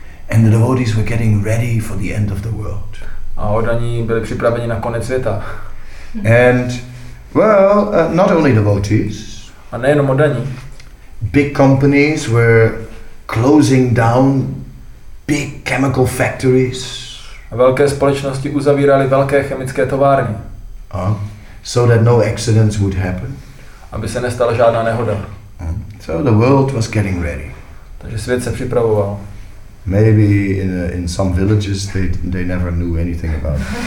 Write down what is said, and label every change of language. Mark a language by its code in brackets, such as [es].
[en] And the devotees were getting ready for the end of the world. [cs] A oddaní byli připraveni na konec světa. [en] And well, not only devotees. [cs] A nejenom oddaní. [en] Big companies were closing down big chemical factories. [cs] A velké společnosti uzavíraly velké chemické továrny. [en] So that no accidents would happen. [cs] Aby se nestala žádná nehoda. [en] So the world was getting ready. [cs] Takže svět se připravoval. [en] Maybe in some villages they never knew anything about.